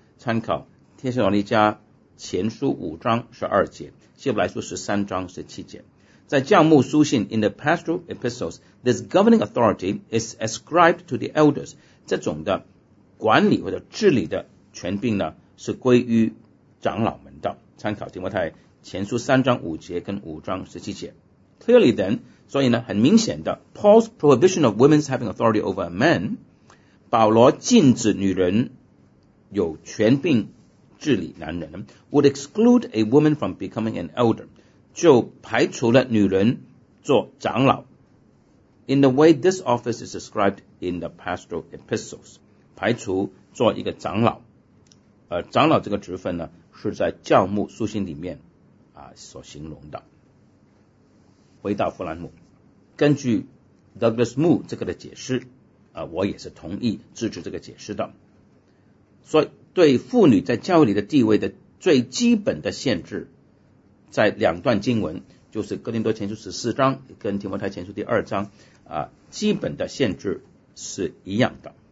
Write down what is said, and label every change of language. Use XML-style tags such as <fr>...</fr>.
<zh>参考帖撒罗尼迦前书五章十二节，希伯来书十三章十七节。在教牧书信</zh> <en>In the pastoral epistles this governing authority is ascribed to the elders，</en> <zh>这种的管理或者治理的权柄呢是归于长老们的。参考提摩太前书三章五节跟五章十七节。</zh> <en>Clearly then，</en> <zh>所以呢很明显的</zh> <en>Paul's prohibition of women's having authority over men，</en> <zh>保罗禁止女人有权柄治理男人</zh> <en>would exclude a woman from becoming an elder,</en> <zh>就排除了女人做长老。</zh> <en>In the way this office is described in the pastoral epistles,</en> <zh>排除做一个长老。长老这个职分呢是在教牧书信里面啊所形容的。回到弗兰姆，根据 Douglas Moo 这个的解释啊，我也是同意支持这个解释的。所以对妇女在教会里的地位的最基本的限制，在两段经文，就是哥林多前书14章跟提摩太前书2章啊，基本的限制是一样的。</zh>